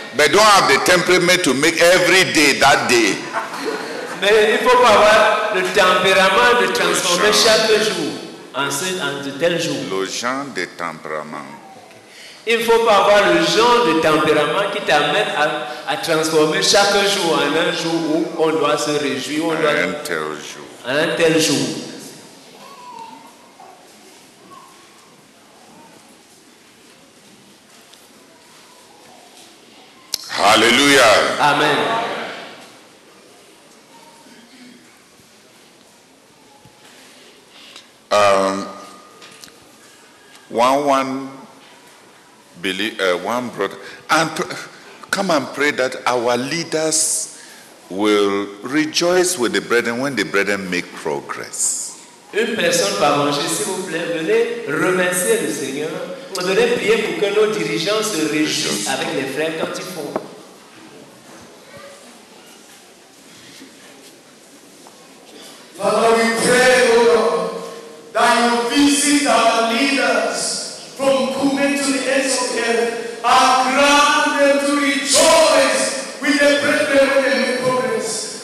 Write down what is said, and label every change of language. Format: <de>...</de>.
<en>But don't have the temperament to make every day that day.</en> <fr>Mais il faut pas avoir le tempérament de transformer chaque jour en de tel jour. Le genre de tempérament. Il ne faut pas avoir le genre de tempérament qui t'amène à transformer chaque jour en un jour où on doit se réjouir. En un tel jour. En un tel jour. Alléluia. Amen.</fr> <en>One brother, and come and pray that our leaders will rejoice with the brethren when the brethren make progress.</en> <fr>Une personne par manger, s'il vous plaît, venez remercier le Seigneur. Venez prier pour que nos dirigeants se réjouissent avec les frères quand ils font.</fr> <en>Father, we pray, O Lord, that you visit our leaders from Kume to the ends of earth and grant them to rejoice with the brethren when they make progress.</en>